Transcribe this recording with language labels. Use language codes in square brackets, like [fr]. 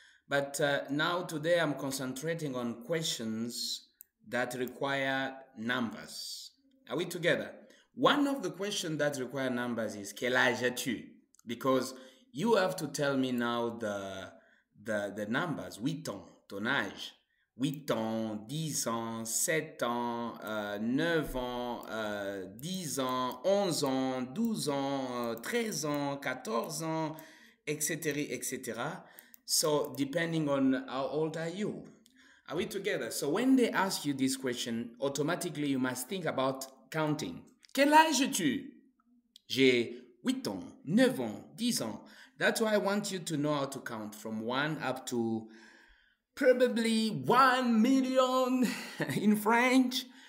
[en] But now, today, I'm concentrating on questions that require numbers. Are we together? One of the questions that require numbers is [fr] quel âge as-tu? [en] Because you have to tell me now the numbers. [fr] 8 ans, ton âge. 8 ans, 10 ans, 7 ans, 9 ans, 10 ans, 11 ans, 12 ans, 13 ans, 14 ans, etc., etc. [en] So depending on how old are you. Are we together? So when they ask you this question, automatically you must think about counting. [fr] Quel âge as-tu? J'ai 8 ans, 9 ans, 10 ans. [en] That's why I want you to know how to count from 1 up to probably 1 million in French.